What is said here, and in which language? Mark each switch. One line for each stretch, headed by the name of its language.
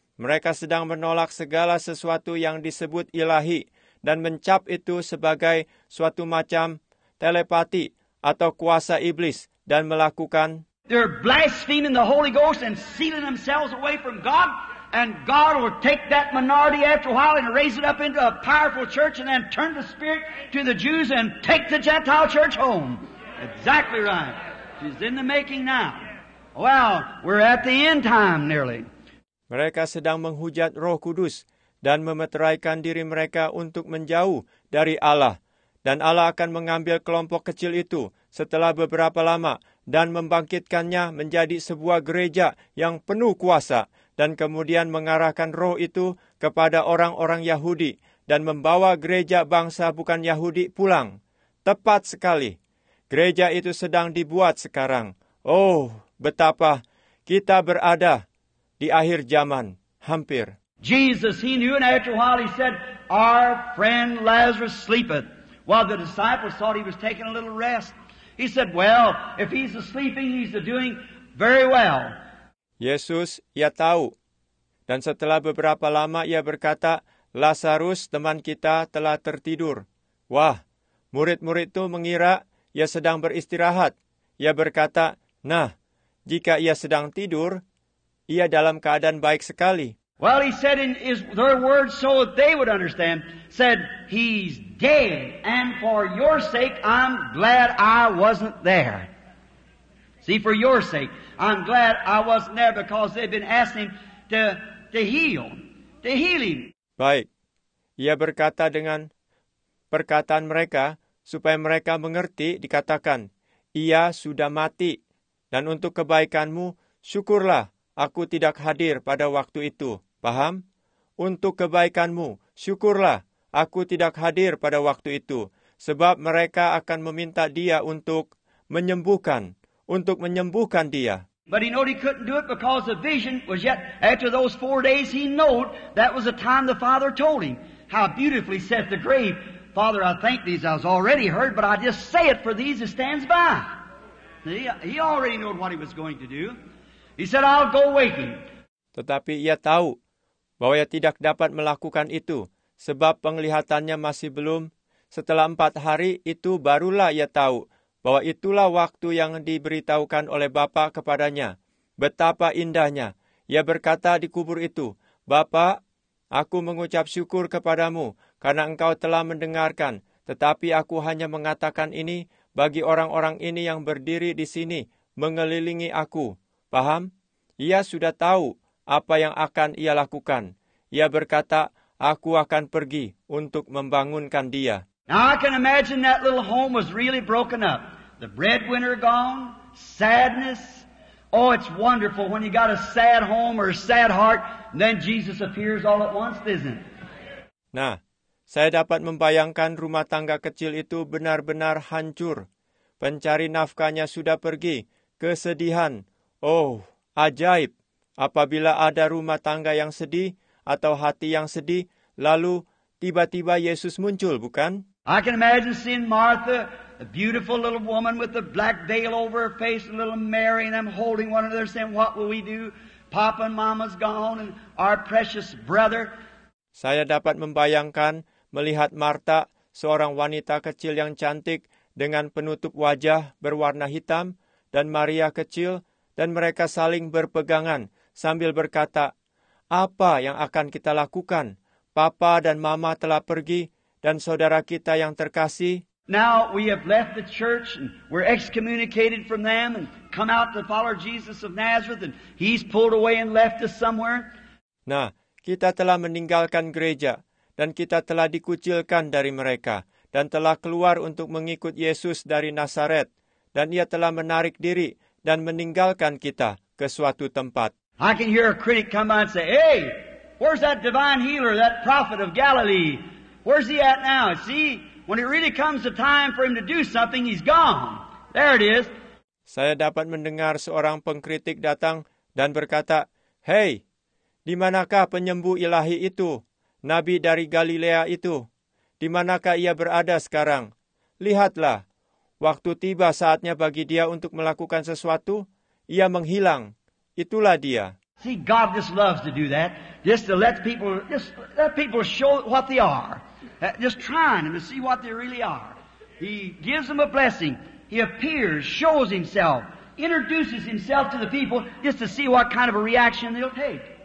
Indonesian: Mereka sedang menolak segala sesuatu yang disebut ilahi dan mencap itu sebagai suatu macam telepati atau kuasa iblis dan melakukan.
English: They're blaspheming the Holy Ghost and sealing themselves away from God, and God will take that minority after a while and raise it up into a powerful church and then turn the Spirit to the Jews and take the Gentile church home. Exactly right. She's in the making now. Well, we're at the end time nearly.
Indonesian: Mereka sedang menghujat Roh Kudus dan memeteraikan diri mereka untuk menjauh dari Allah. Dan Allah akan mengambil kelompok kecil itu setelah beberapa lama dan membangkitkannya menjadi sebuah gereja yang penuh kuasa dan kemudian mengarahkan roh itu kepada orang-orang Yahudi dan membawa gereja bangsa bukan Yahudi pulang. Tepat sekali. Gereja itu sedang dibuat sekarang. Oh, betapa kita berada di akhir zaman, hampir.
English: Jesus, he knew, and after a while he said, our friend Lazarus sleepeth. While the disciples thought he was taking a little rest. He said, well, if he's sleeping, he's doing very well.
Indonesian: Yesus, ia tahu. Dan setelah beberapa lama ia berkata, Lazarus, teman kita, telah tertidur. Wah, murid-murid itu mengira ia sedang beristirahat. Ia berkata, nah, jika ia sedang tidur, ia dalam keadaan baik sekali.
English: Well, he said in his their words so that they would understand, said, he's dead, and for your sake, I'm glad I wasn't there. See, for your sake, I'm glad I wasn't there because they've been asking to heal him.
Indonesian: Baik. Ia berkata dengan perkataan mereka, supaya mereka mengerti, dikatakan, ia sudah mati, dan untuk kebaikanmu, syukurlah aku tidak hadir pada waktu itu. Paham? Untuk kebaikanmu, syukurlah aku tidak hadir pada waktu itu, sebab mereka akan meminta dia untuk menyembuhkan dia.
English: But he knew he couldn't do it because the vision was yet after those 4 days. He knew that was the time the Father told him how beautifully set the grave. Father, I thank these. I was already heard, but I just say it for these that stands by. He already knew what he was going to do. He said, "I'll go waking."
Indonesian: Tetapi ia tahu bahwa ia tidak dapat melakukan itu, sebab penglihatannya masih belum. Setelah 4 hari itu barulah ia tahu bahwa itulah waktu yang diberitahukan oleh Bapa kepadanya. Betapa indahnya. Ia berkata di kubur itu, Bapa, aku mengucap syukur kepadamu karena engkau telah mendengarkan, tetapi aku hanya mengatakan ini bagi orang-orang ini yang berdiri di sini, mengelilingi aku. Paham? Ia sudah tahu apa yang akan ia lakukan. Ia berkata, aku akan pergi untuk membangunkan dia.
English: Now I can imagine that little home was really broken up. The breadwinner gone, sadness. Oh, it's wonderful when you got a sad home or a sad heart, then Jesus appears all at once, isn't it?
Indonesian: Nah, saya dapat membayangkan rumah tangga kecil itu benar-benar hancur. Pencari nafkahnya sudah pergi. Kesedihan. Oh, ajaib. Apabila ada rumah tangga yang sedih atau hati yang sedih, lalu tiba-tiba Yesus muncul, bukan?
English: I can imagine seeing Martha, a beautiful little woman with a black veil over her face, and little Mary, and them holding one another, saying, "What will we do? Papa and Mama's gone, and our precious brother."
Indonesian: Saya dapat membayangkan melihat Martha, seorang wanita kecil yang cantik dengan penutup wajah berwarna hitam, dan Maria kecil, dan mereka saling berpegangan sambil berkata, "Apa yang akan kita lakukan? Papa dan Mama telah pergi." Dan saudara kita yang terkasih.
English: Now we have left the church and we're excommunicated from them and come out to follow Jesus of Nazareth and he's pulled away and left us somewhere.
Indonesian: Nah, kita telah meninggalkan gereja dan kita telah dikucilkan dari mereka dan telah keluar untuk mengikut Yesus dari Nazaret dan ia telah menarik diri dan meninggalkan kita ke suatu tempat.
English: I can hear a critic come out and say, "Hey, where's that divine healer, that prophet of Galilee? Where's he at now? See, when it really comes the time for him to do something, he's gone. There it is."
Indonesian: Saya dapat mendengar seorang pengkritik datang dan berkata, "Hey, di manakah penyembuh ilahi itu, nabi dari Galilea itu? Di manakah ia berada sekarang? Lihatlah, waktu tiba saatnya bagi dia untuk melakukan sesuatu, ia menghilang. Itulah dia."
English: See, God just loves to do that. Just let people show what they are. Just trying them to see what they really are. He gives them a blessing. He appears, shows himself, introduces himself to the people just to see what kind of a reaction they'll take.